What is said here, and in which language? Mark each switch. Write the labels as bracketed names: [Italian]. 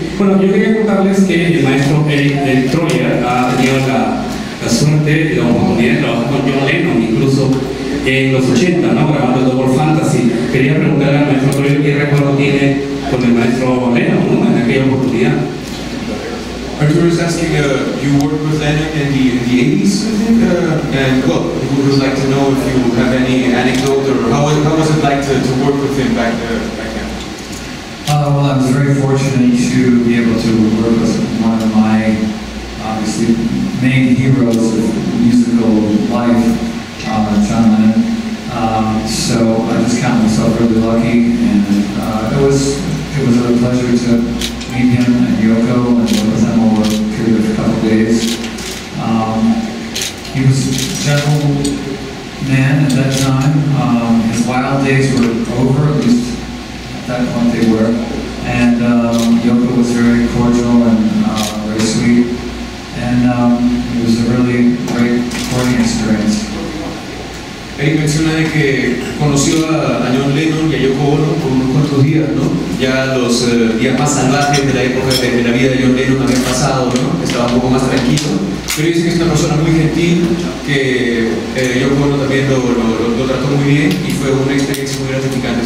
[Spanish] Bueno, yo quería contarles que el maestro Eric Troyer ha tenido la suerte y la oportunidad de trabajar con John Lennon, incluso en los 80, ¿no? Grabando el Double Fantasy. Quería preguntarle al maestro Troyer qué recuerdo tiene con el maestro Lennon, ¿no? En aquella oportunidad. [English] Arthur is asking, you worked with Lennon in the 80s, I think, and well, he would like to know if you have any anecdote or how was it like to work with him back then? Well, I was very fortunate to be able to work with one of my, obviously, main heroes of musical life, John Lennon. So I just count myself really lucky, and it was a pleasure to meet him and Yoko and work with him over a period of a couple of days. He was a gentle man at that time. His wild days were over, at least at that point they were. And Yoko was very cordial and very sweet. And it was a really great recording experience. [Spanish] Ahí menciona de que conoció a John Lennon y a Yoko Ono por unos cuantos días, ¿no? Ya los días más salvajes de la época de la vida de John Lennon habían pasado, ¿no? Estaba un poco más tranquilo. Pero dice que es una persona muy gentil, que Yoko Ono también lo trató muy bien y fue una experiencia muy gratificante.